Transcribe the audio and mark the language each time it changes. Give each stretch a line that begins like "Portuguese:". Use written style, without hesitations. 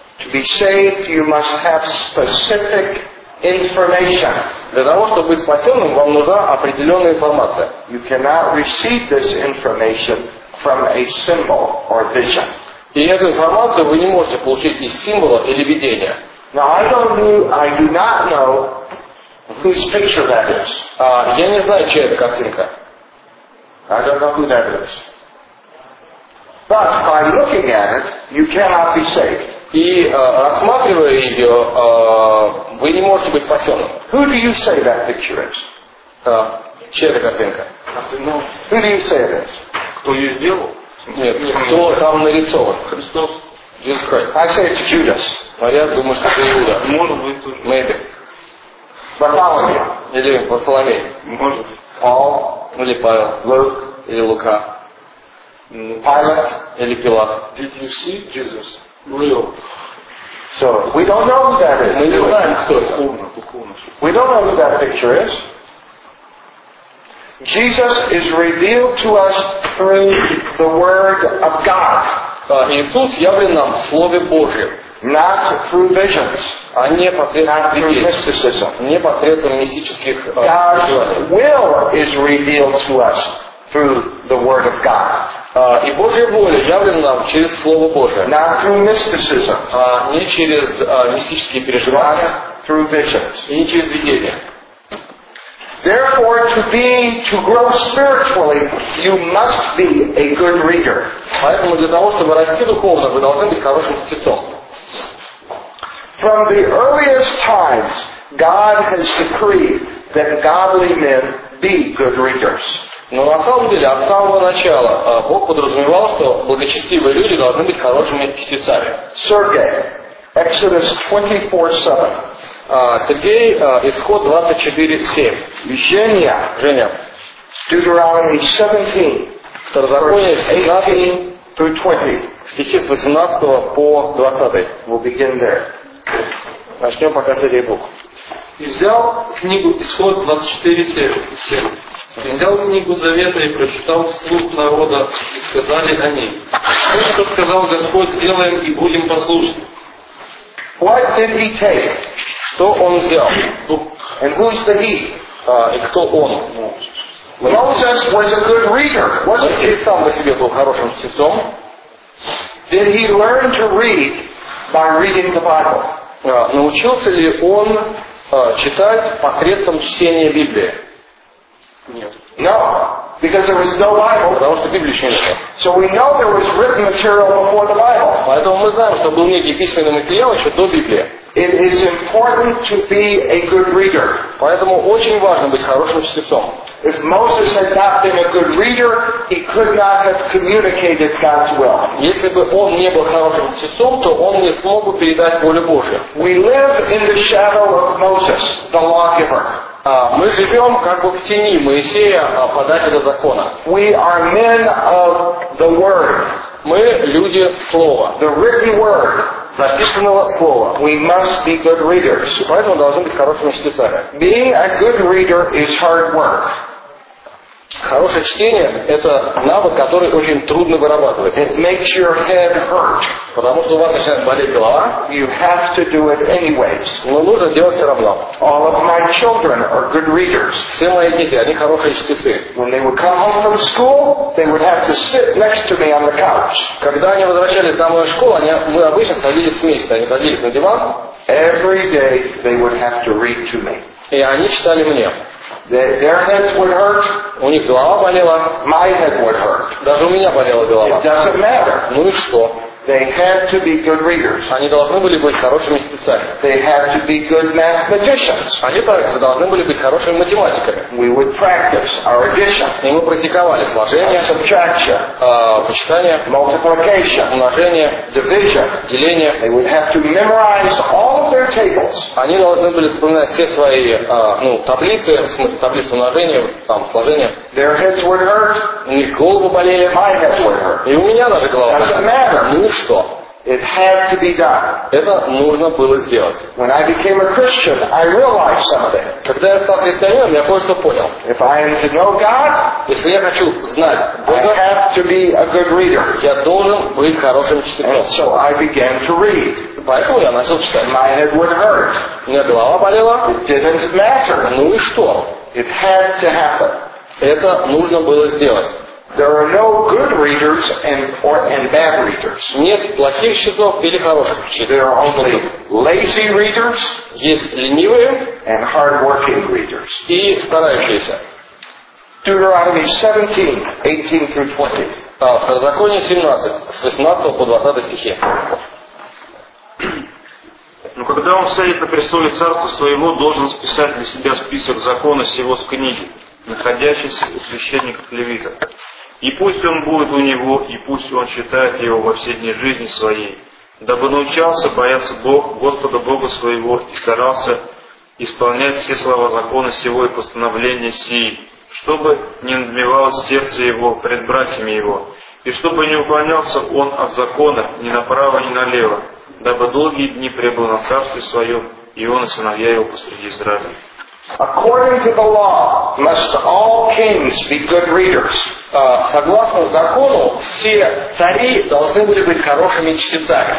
English: To be saved, you must have specific information.
Russian: Для того, чтобы быть спасенным, вам нужна определенная информация.
English: You cannot receive this information from a symbol or vision.
Russian: И эту информацию вы не можете получить из символа или видения.
English: Now I do not know whose picture that is.
Russian: Я не знаю, чья это картинка.
English: I don't know who that is. But by looking at it, you cannot be saved.
Russian: И рассматривая ее, вы не можете быть спасенным.
English: Who do you say that picture is?
Russian: Чья это картинка?
English: Who do you say it is?
Russian: Кто ее сделал? Нет, кто там нарисован? Христос.
English: Jesus Christ. I say it's Judas.
Russian: А я думаю, что это Иуда. Может быть, тоже.
English: Maybe.
Russian: Бартоломей. Или Бартоломей. Может быть.
English: Paul.
Russian: Или Павел.
English: Luke.
Russian: Или Лука.
English: Pilate.
Russian: Или Пилат.
English: Did you see Jesus? Real. So, we don't know who that is.
Russian: Мы не знаем, кто это.
English: We don't know who that picture is. Jesus is revealed to us through the Word of God.
Russian: Иисус явлен нам в Слове Божьем.
English: Not through visions.
Russian: А не посредством видений.
English: Not through mysticism.
Russian: Не посредством мистических
English: God's
Russian: желаний.
English: Will is revealed to us through the Word of God.
Russian: И Божья воля явлена нам через Слово Божие.
English: Not through mysticism.
Russian: А не через мистические переживания.
English: Not through visions.
Russian: И не через видения.
English: Therefore, to grow spiritually, you must be a good reader.
Russian: Поэтому для того, чтобы расти духовно, вы должны быть хорошим чтецом.
English: From the earliest times, God has decreed that godly men be good readers.
Russian: Но на самом деле, от самого начала, Бог подразумевал, что благочестивые люди должны быть хорошими чтецами.
English: Sergey, Exodus 24:7.
Russian: Сергей, Исход 24:7. Женя. Женя.
English: Deuteronomy 17.
Russian: Второзаконие 17.
English: through 20.
Russian: Стихи с 18 по 20.
English: We'll begin there.
Russian: Начнем пока с этих букв. И взял книгу Исход 24:7. И взял книгу Завета и прочитал вслух народа, и сказали они: «Что это сказал Господь, сделаем и будем послушны».
English: What did he take?
Russian: Что он взял?
English: And who's the he?
Russian: И кто он?
English: Moses was a good reader. Wasn't he?
Russian: Сам по себе был хорошим чтецом.
English: Did he learn to read by reading the Bible?
Russian: Научился ли он читать посредством чтения Библии? Нет.
English: No, because there was no Bible.
Russian: Потому что Библии еще не было.
English: So we know there was written material before the Bible.
Russian: Поэтому мы знаем, что был некий письменный материал еще до Библии.
English: It is important to be a good reader.
Russian: Поэтому очень важно быть хорошим чтецом.
English: If Moses had not been a good reader, he could not have communicated God's will.
Russian: Если бы он не был хорошим чтецом, то он не смог бы передать волю Божию.
English: We live in the shadow of Moses, the lawgiver.
Russian: Мы живем как бы в тени Моисея, подателя закона.
English: We are men of the word.
Russian: Мы люди слова.
English: The written word.
Russian: Записанного слова.
English: We must be good readers.
Russian: Поэтому должны быть хорошими чтецами.
English: Being a good reader is hard work.
Russian: Хорошее чтение – это навык, который очень трудно вырабатывать.
English: It makes your head hurt.
Russian: Потому что у вас начинает болеть голова.
English: You have to do it anyways.
Russian: Но нужно делать все равно.
English: All of my children are good readers.
Russian: Все мои дети, они хорошие чтецы.
English: When they would come home from school, they would have to sit next to me on the couch.
Russian: Когда они возвращались домой из школы, мы обычно садились вместе, они садились на диван.
English: Every day they would have to read to me.
Russian: И они читали мне.
English: Their heads would hurt.
Russian: У них голова болела.
English: My head would hurt.
Russian: Даже у меня болела голова.
English: It doesn't matter.
Russian: Ну и что?
English: They had to be good readers.
Russian: Они должны были быть хорошими чтецами.
English: They had to be good mathematicians.
Russian: Они также должны были быть хорошими математиками.
English: We would practice our addition.
Russian: И мы практиковали сложение,
English: subtraction,
Russian: вычитание,
English: multiplication,
Russian: умножение,
English: division,
Russian: деление.
English: They would have to memorize all of their tables.
Russian: Они должны были вспоминать все свои таблицы, в смысле таблицы умножения, там сложения.
English: Their heads would hurt.
Russian: У них головы болели.
English: My head would hurt.
Russian: И у меня даже голова.
English: Doesn't matter.
Russian: Ну что?
English: It had to be done.
Russian: Это нужно было сделать.
English: When I became a Christian, I realized something.
Russian: Когда я стал христианином, я кое-что понял.
English: If I am to know God,
Russian: если я хочу знать Бога,
English: I have to be a good reader.
Russian: Я должен быть хорошим чтецом.
English: And so I began to read.
Russian: Поэтому я начал читать.
English: My head would hurt.
Russian: У меня голова болела.
English: It didn't matter.
Russian: Ну и что?
English: It had to happen.
Russian: Это нужно было сделать.
English: There are no good readers and bad readers.
Russian: Нет плохих чтецов или хороших чтецов.
English: There are only lazy readers.
Russian: Есть ленивые.
English: And hard-working readers.
Russian: И старающиеся.
English: Deuteronomy 17:18-20.
Russian: Второзаконие 17 с 18 по 20 стихи. Но когда он сядет на престоле царства своего, должен списать для себя список закона сего с книги, находящейся у священников левитов. И пусть он будет у него, и пусть он читает его во все дни жизни своей, дабы научался бояться Бога, Господа Бога своего, и старался исполнять все слова закона сего и постановления сии, чтобы не надмевалось сердце его пред братьями его, и чтобы не уклонялся он от закона ни направо, ни налево, дабы долгие дни пребыл на царстве своем, и он и сыновья его посреди Израиля.
English: According to the law, must all kings be good readers?
Russian: Согласно закону, все цари должны были быть хорошими чтецами.